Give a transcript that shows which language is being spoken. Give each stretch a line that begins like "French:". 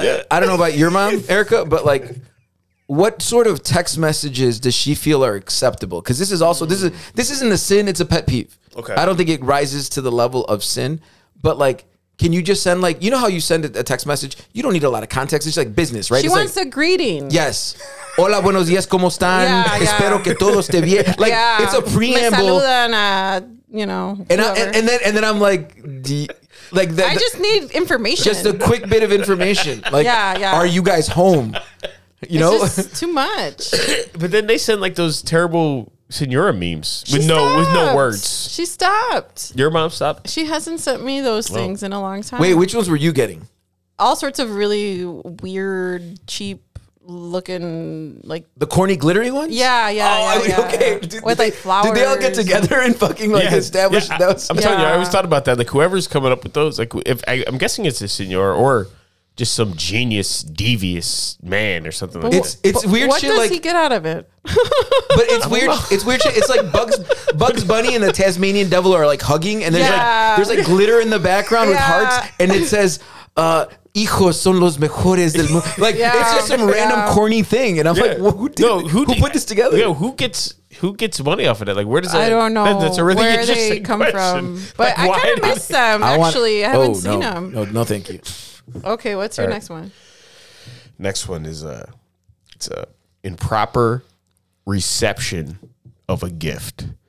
English: I don't know about your mom, Erica, but like, what sort of text messages does she feel are acceptable? Because this is also, this isn't a sin, it's a pet peeve. Okay. I don't think it rises to the level of sin, but like, can you just send like, you know how you send a text message? You don't need a lot of context. It's like business, right? She wants a greeting. Yes.
Spanish: Hola, buenos días, ¿cómo están?
English: Yeah,
Spanish: espero que todo esté bien.
English: Like, it's a preamble.
Spanish: Me saludan,
English: you know. And then I'm like, I just need information. Just a quick bit of information. Like, are you guys home? You know, it's just too much. But then they send like those terrible señora memes with no words. She stopped. Your mom stopped. She hasn't sent me those things in a long time. Wait, which ones were you getting? All sorts of really weird, cheap looking, like the corny, glittery ones. Like flowers. Did they all get together and fucking like establish those? I'm telling you, I always thought about that. Like whoever's coming up with those, like I'm guessing it's a señora or just some genius, devious man or something like it's, that. It's weird what shit. What does like, he get out of it? But it's weird. It's weird shit. It's like Bugs Bunny and the Tasmanian Devil are like hugging. And there's like glitter in the background with hearts. And it says,
Spanish: hijos son los mejores del mundo.
English: Like, it's just some random corny thing. And I'm like, who put this together? Yeah, who gets money off of that? Like, where does that? I don't know. That's a really where interesting they come question. From. But like, I kind of miss them, actually. I haven't seen them. No, thank you. Okay, what's your next one? Next one is it's a improper reception of a gift.